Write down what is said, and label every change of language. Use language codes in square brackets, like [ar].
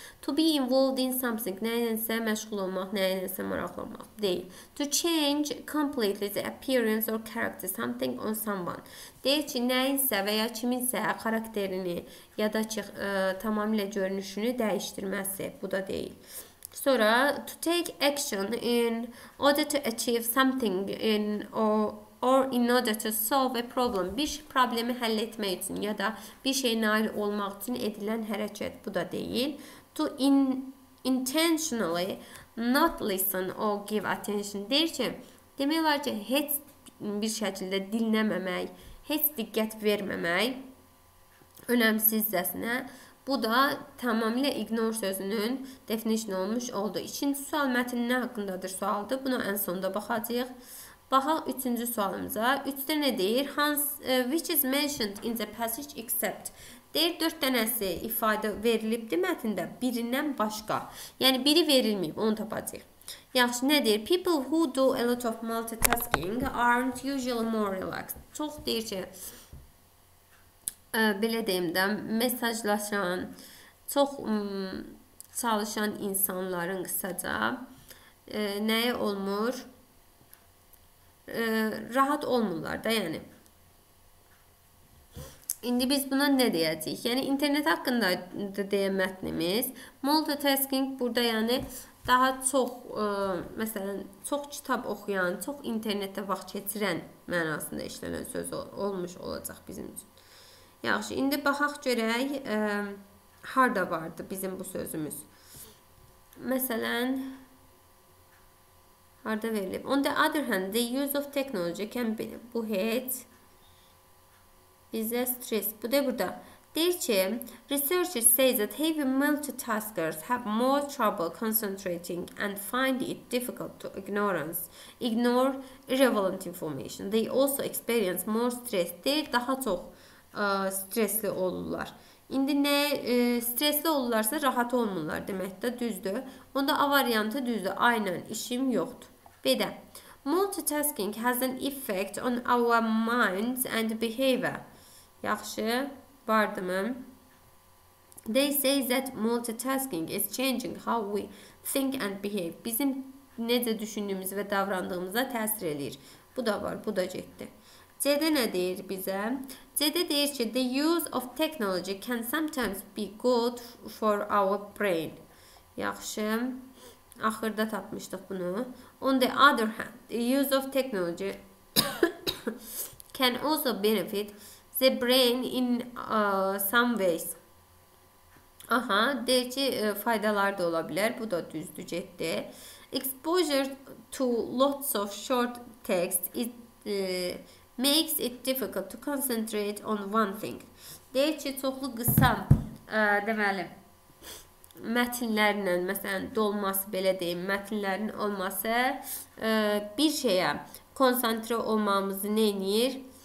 [en] To be involved in something, [az] nəyinsə məşğul olmaq, nəyinsə maraqlanmaq, deyil. [en] To change completely the appearance or character something on someone. [az] Deyil ki, nəyinsə və ya kiminsə xarakterini ya da ki, tamamilə görünüşünü dəyişdirməsi, bu da deyil. [en] Sonra, to take action in order to achieve something in or in order to solve a problem. [az] Bir problemi həll etmək üçün ya da bir şey nail olmaq üçün edilən hərəkət, bu da deyil. [en] To intentionally not listen or give attention. [az] Deyir ki, demək olar ki, heç bir şəkildə dinləməmək, heç diqqət verməmək önəmsizcəsinə. Bu da tamamilə ignore sözünün definition olmuş oldu. İkinci sual mətnin nə haqqındadır sualdır. Buna ən sonda baxacaq. Baxaq üçüncü sualımıza. Üçdə nə deyir? [en] Which is mentioned in the passage except. [az] Deyir, dörd dənəsi ifadə verilibdir mətnində birindən başqa. Yəni, biri verilməyib, onu tapacaq. Yaxşı, nə deyir? [en] People who do a lot of multitasking aren't usually more relaxed. [az] Çox deyir ki, belə deyim də, mesajlaşan, çox çalışan insanların qısaca nəyə olmur? Rahat olmurlar da, yəni. İndi biz buna nə deyəcəyik? Yəni, internet haqqında deyə mətnimiz. Multitasking burada, yəni, daha çox, məsələn, çox kitab oxuyan, çox internetdə vaxt keçirən mənasında işlənən söz olmuş olacaq bizim üçün. Yaxşı, indi baxaq görək, harda vardı bizim bu sözümüz. Məsələn, harda verilib? [en] On the other hand, the use of technology can be, [az] bu heç, bizə stress. Bu da burada. Deyir ki, [en] researchers say that heavy multitaskers have more trouble concentrating and find it difficult to ignore irrelevant information. They also experience more stress. [az] Deyir, daha çox stresli olurlar. İndi nə stresli olurlarsa rahat olmurlar deməkdə düzdür. Onda A variantı düzdür. Aynən işim yoxdur. B-də. [en] Multitasking has an effect on our minds and behavior. [az] Yaxşı. Vardı mı? [en] They say that multitasking is changing how we think and behave. [az] Bizim necə düşündüyümüz və davrandığımıza təsir edir. Bu da var, bu da getdi. C-də nə deyir bizə? C-də deyir ki, [en] the use of technology can sometimes be good for our brain. [az] Yaxşı. Axırda tapmışdıq bunu. [en] On the other hand, the use of technology can also benefit the brain in some ways. [az] Aha, deyir ki, faydalar da ola bilər. Bu da düzdür, getdi. [en] Exposure to lots of short text is makes it difficult to concentrate on one thing. [az] Deyir ki, çoxlu qısa, deməli, mətnlərlə, məsələn, dolması, belə deyim, mətnlərin olması bir şeyə konsantrə olmamızı nə edir?